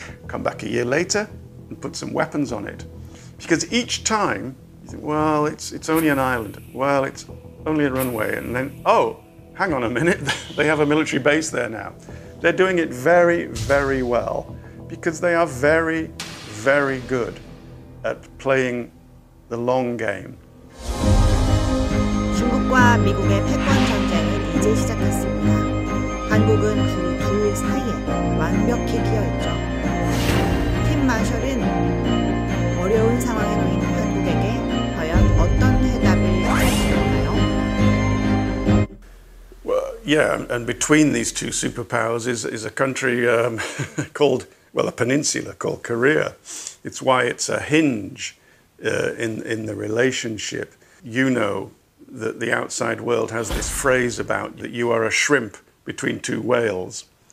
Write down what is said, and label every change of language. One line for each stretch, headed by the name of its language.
English: Come back a year later and put some weapons on it. Because each time, you think, well, it's only an island. Well, it's only a runway. And then, oh, hang on a minute. They have a military base there now. They're doing it very, very well because they are very, very good at playing the long game.
Korean: 중국과 미국의 패권 전쟁은 이제 시작했습니다. 한국은 그 둘 사이에 완벽히 끼어있죠. 마셜은 어려운 상황에 놓인 한국에게 과연 어떤 대답을 하실까요?
English: Well, yeah, and between these two superpowers is a country called, well, a peninsula called Korea. It's why it's a hinge in the relationship. You know that the outside world has this phrase about that you are a shrimp between two whales.